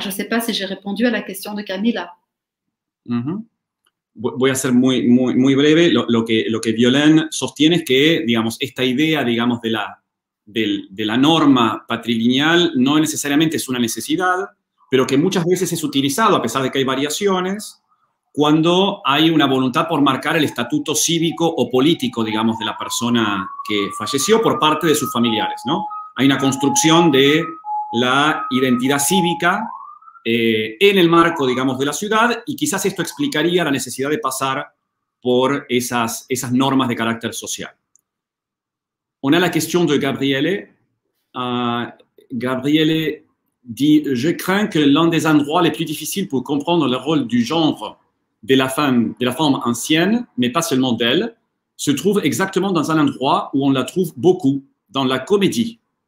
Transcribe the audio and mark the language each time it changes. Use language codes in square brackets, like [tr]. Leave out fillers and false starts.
[fr] Je ne sais pas si j'ai répondu à la question de Camila. Mm-hmm. [es] Voy a ser muy, muy, muy breve. Lo que Violaine sostiene es que, digamos, esta idea, digamos, de la norma patrilineal no necesariamente es una necesidad, pero que muchas veces es utilizado, a pesar de que hay variaciones, cuando hay una voluntad por marcar el estatuto cívico o político, digamos, de la persona que falleció por parte de sus familiares, ¿no? Hay una construcción de la identidad cívica en el marco, digamos, de la ciudad, y quizás esto explicaría la necesidad de pasar por esas normas de carácter social. [fr] On a la question de Gabriele. Gabriele dit: je crains que l'un des endroits les plus difficiles pour comprendre le rôle du genre de la femme ancienne, mais pas seulement d'elle, se trouve exactement dans un endroit où on la trouve beaucoup, dans la comédie.